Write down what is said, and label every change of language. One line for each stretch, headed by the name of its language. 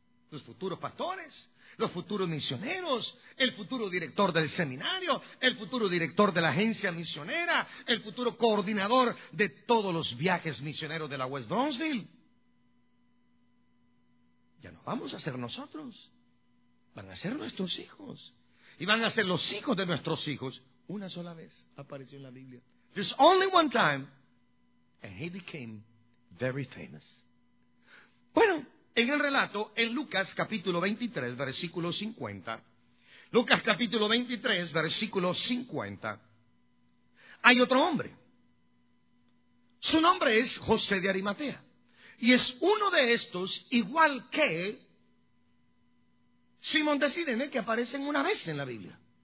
Spanish: Los futuros pastores, los futuros misioneros, el futuro director del seminario, el futuro director de la agencia misionera, el futuro coordinador de todos los viajes misioneros de la West Bronzeville. Ya no vamos a ser nosotros, van a ser nuestros hijos. Y van a ser los hijos de nuestros hijos. Una sola vez apareció en la Biblia.
English: There's only one time, and he became very famous.
Spanish: Bueno, en el relato, en Lucas capítulo 23, versículo 50, Lucas capítulo 23, versículo 50, hay otro hombre. Su nombre es José de Arimatea. Y es uno de estos, igual que Simón de Cirene, que aparecen una vez en la Biblia.